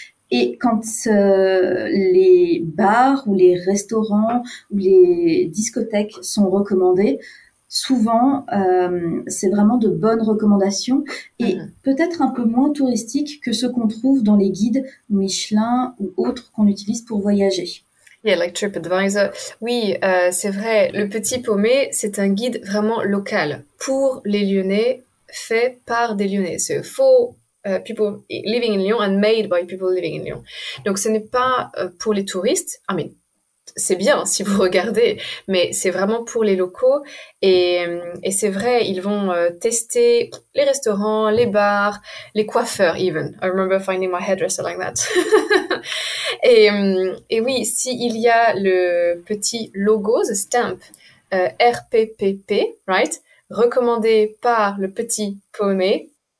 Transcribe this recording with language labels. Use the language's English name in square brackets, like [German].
[French] Et quand les bars ou les restaurants ou les discothèques sont recommandés, souvent, c'est vraiment de bonnes recommandations et peut-être un peu moins touristiques que ce qu'on trouve dans les guides Michelin ou autres qu'on utilise pour voyager. [English] Yeah, like TripAdvisor. [French] Oui, c'est vrai, Le Petit Paumé, c'est un guide vraiment local pour les Lyonnais, fait par des Lyonnais. C'est faux. [English] People living in Lyon and made by people living in Lyon. [French] Donc, ce n'est pas pour les touristes. [English] I mean, [French] c'est bien si vous regardez, mais c'est vraiment pour les locaux. Et c'est vrai, ils vont tester les restaurants, les bars, les coiffeurs even. [English] I remember finding my hairdresser like that. [French] Et oui, s'il y a le petit logo, [English] the stamp, [French] RPPP, right, recommandé par Le Petit Paumé.